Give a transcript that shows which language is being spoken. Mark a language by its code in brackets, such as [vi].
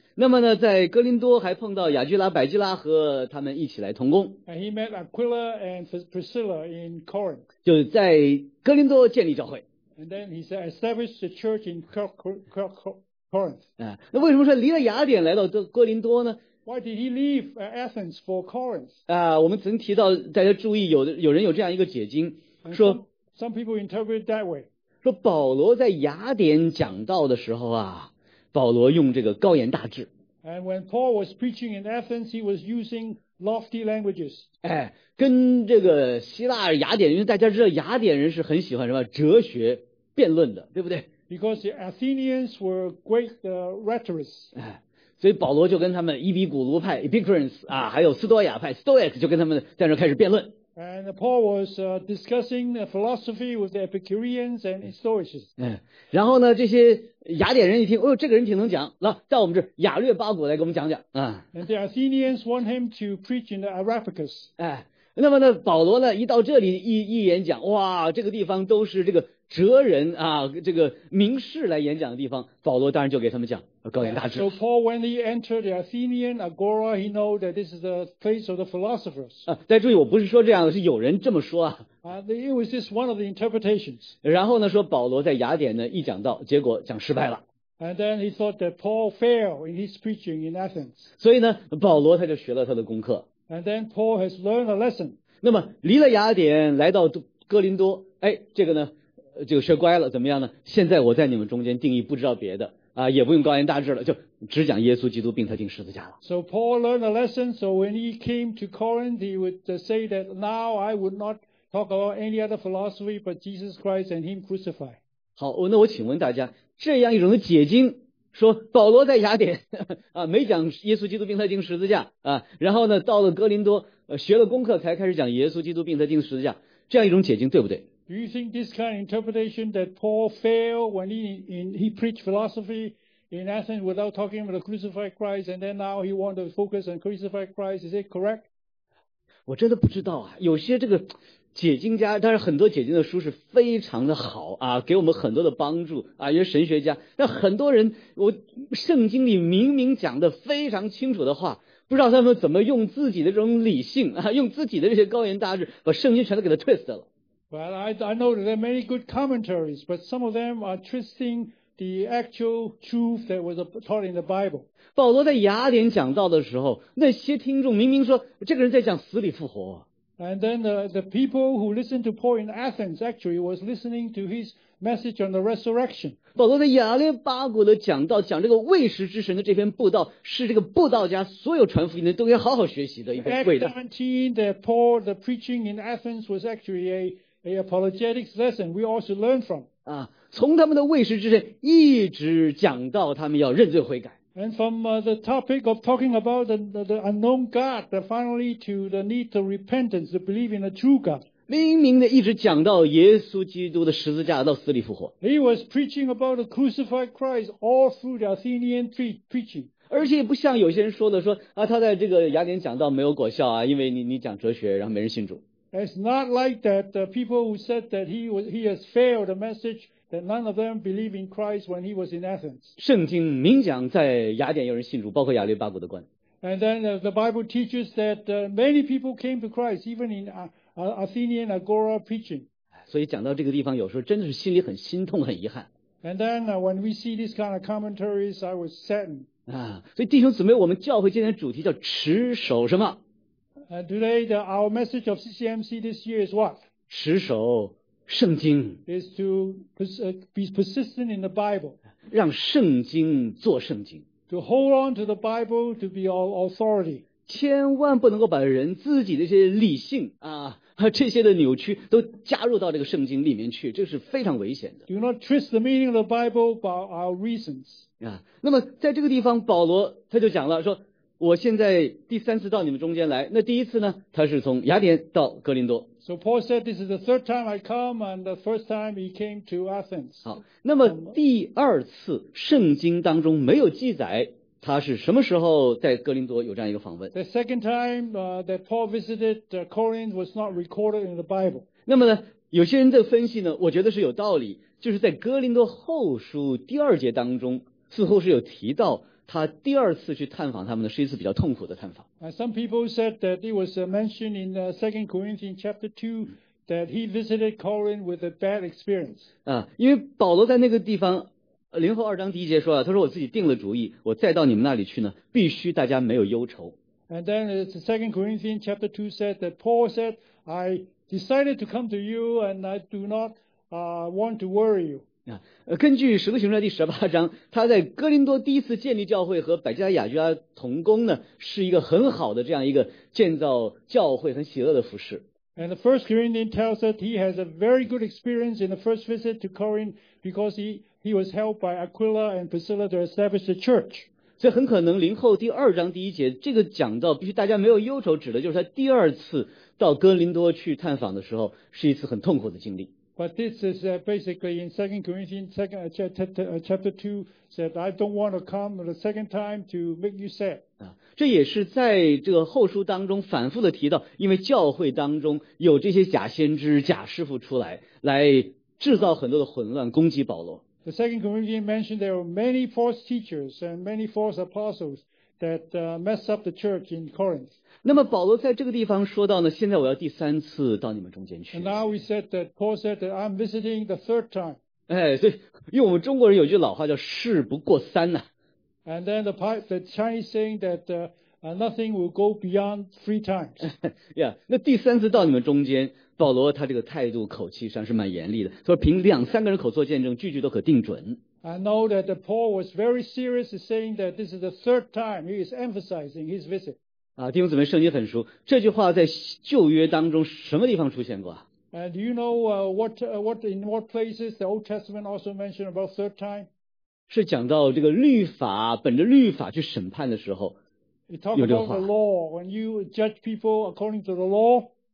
[zh] 那么呢，在哥林多还碰到亚居拉、百基拉和他们一起来同工。 [en] And he met Aquila and Priscilla in Corinth. [zh] 就是在哥林多建立教会。 [en] And then he said, established the church in Corinth. [zh] 那为什么说离了雅典来到哥林多呢？ [en] Why did he leave Athens for Corinth? [zh] 我们曾提到，大家注意，有人有这样一个解经，说 [en] some people interpret it that way. [zh] 说保罗在雅典讲道的时候啊，保罗用这个高言大志。 [en] And when Paul was preaching in Athens, he was using lofty languages. [zh] 哎，跟这个希腊雅典，因为大家知道雅典人是很喜欢什么哲学辩论的，对不对？ [en] Because the Athenians were great rhetorists. [zh] 哎，所以保罗就跟他们伊比古卢派 Epicureans 啊，还有斯多亚派 Stoics 就跟他们在那开始辩论。 [en] And Paul was discussing the philosophy with the Epicureans and the Stoics. [zh] 嗯，然后呢，这些雅典人一听，哦，这个人挺能讲，来到我们这雅略巴古来给我们讲讲啊。 [en] And the Athenians want him to preach in the Areopagus. [zh] 哎，那么呢，保罗呢一到这里一演讲，哇，这个地方都是这个哲人啊，这个名士来演讲的地方，保罗当然就给他们讲高言大志。 [en] So Paul, when he entered the Athenian agora, he know that this is the place of the philosophers. [zh] 啊，大家注意，我不是说这样的，是有人这么说啊。 [en] It was just one of the interpretations. [zh] 然后呢，说保罗在雅典呢一讲到，结果讲失败了。 [en] And then he thought that Paul failed in his preaching in Athens. [zh] 所以呢，保罗他就学了他的功课。 [en] And then Paul has learned a lesson. [zh] 那么离了雅典，来到哥林多，哎，这个呢？就学乖了，怎么样呢？现在我在你们中间定义不知道别的啊，也不用高言大志了，就只讲耶稣基督并他钉十字架了。 [en] So Paul learned a lesson. So when he came to Corinth, he would say that now I would not talk about any other philosophy but Jesus Christ and Him crucified. [zh] 好，那我请问大家，这样一种的解经，说保罗在雅典啊没讲耶稣基督并他钉十字架啊，然后呢到了哥林多学了功课才开始讲耶稣基督并他钉十字架，这样一种解经对不对？ [en] Do you think this kind of interpretation that Paul failed when he preached philosophy in Athens without talking about the crucified Christ and then now he wants to focus on crucified Christ, is it correct? [zh] 我真的不知道啊，有些这个解经家，当然很多解经的书是非常的好啊，给我们很多的帮助啊，有些神学家，但很多人，我圣经里明明讲的非常清楚的话，不知道他们怎么用自己的这种理性啊，用自己的这些高言大志把圣经全都给他 twist 了。 [en] Well, I know that there are many good commentaries, but some of them are twisting the actual truth that was taught in the Bible. [zh] 保罗在雅典讲道的时候，那些听众明明说这个人在讲死里复活。 [en] And then the people who listened to Paul in Athens actually was listening to his message on the resurrection. [zh] 保罗在雅略巴古的讲道，讲这个未时之神的这篇布道，是这个布道家所有传福音的都要好好学习的一篇伟大。 [en] Act 19, that Paul, the preaching in Athens was actually a apologetics lesson we all should learn from. [zh] 啊，从他们的未时之神一直讲到他们要认罪悔改。 [en] And from the topic of talking about the unknown God, finally to the need to repentance, to believe in a true God. [zh] 明明的一直讲到耶稣基督的十字架到死里复活。 [en] He was preaching about the crucified Christ all through the Athenian preaching. [zh] 而且不像有些人说的说啊，他在这个雅典讲道没有果效啊，因为你讲哲学，然后没人信主。 [en] It's not like that the people who said that he has failed the message that none of them believe in Christ when he was in Athens. [zh] 圣经明讲在雅典有人信主，包括雅略巴古的官。 [en] And then the Bible teaches that many people came to Christ even in Athenian agora preaching. [zh] 所以讲到这个地方，有时候真的是心里很心痛，很遗憾。 [en] And then when we see these kind of commentaries, I was saddened. [zh] 啊，所以弟兄姊妹，我们教会今天的主题叫持守什么？ [en] Today, our message of CCMC this year is what? [zh] 持守圣经。 [en] Is to be persistent in the Bible. [zh] 让圣经做圣经。 [en] To hold on to the Bible to be our authority. [zh] 千万不能够把人自己的一些理性啊这些的扭曲都加入到这个圣经里面去，这是非常危险的。 [en] Do not twist the meaning of the Bible by our reasons. [zh] 啊，那么在这个地方，保罗他就讲了说。我现在第三次到你们中间来，那第一次呢？他是从雅典到哥林多。 [en] So Paul said, "This is the third time I come, and the first time he came to Athens." [zh] 好，那么第二次圣经当中没有记载他是什么时候在哥林多有这样一个访问。 [en] The second time that Paul visited Corinth was not recorded in the Bible. [zh] 那么呢，有些人的分析呢，我觉得是有道理，就是在哥林多后书第二节当中似乎是有提到。他第二次去探访他们的是一次比较痛苦的探访。 [en] Some people said that it was mentioned in 2 Corinthians chapter 2 that he visited Corinth with a bad experience. [zh] 因为保罗在那个地方零后二章第一节说啊，他说我自己定了主意，我再到你们那里去呢，必须大家没有忧愁。 [en] And then the Second Corinthians chapter 2 said that Paul said, I decided to come to you and I do not want to worry you. [zh] 根据使徒行传第十八章，他在哥林多第一次建立教会和百加雅居拉同工呢，是一个很好的这样一个建造教会很喜乐的服事。 [en] And the First Corinthians tells us he has a very good experience in the first visit to Corinth because he was helped by Aquila and Priscilla to establish the church. [zh] 所以很可能零后第二章第一节这个讲到必须大家没有忧愁，指的就是他第二次到哥林多去探访的时候是一次很痛苦的经历。 [en] But this is basically in 2 Corinthians chapter 2 said I don't want to come the second time to make you sad. [zh] 这也是在这个后书当中反复的提到，因为教会当中有这些假先知假师傅出来，来制造很多的混乱攻击保罗。 [en] The second Corinthian mentioned there were many false teachers and many false apostles that messed up the church in Corinth. [zh] 那么保罗在这个地方说到呢，现在我要第三次到你们中间去。 [en] And now we said that Paul said that I'm visiting the third time. [zh] 哎，所以用我们中国人有句老话叫事不过三呐。 [en] And then the Chinese saying that nothing will go beyond three times. [zh] Yeah, 那第三次到你们中间，保罗他这个态度口气上是蛮严厉的，他说凭两三个人口做见证，句句都可定准。 [en] I know that Paul was very serious in saying that this is the third time he is emphasizing his visit. [zh] 啊，弟兄姊妹，圣经很熟，这句话在旧约当中什么地方出现过啊？ [en] Do you know what in what places the Old Testament also mentioned about third time? [zh] 是讲到这个律法，本着律法去审判的时候。 [en] You talk about the law, when you judge people according to the law.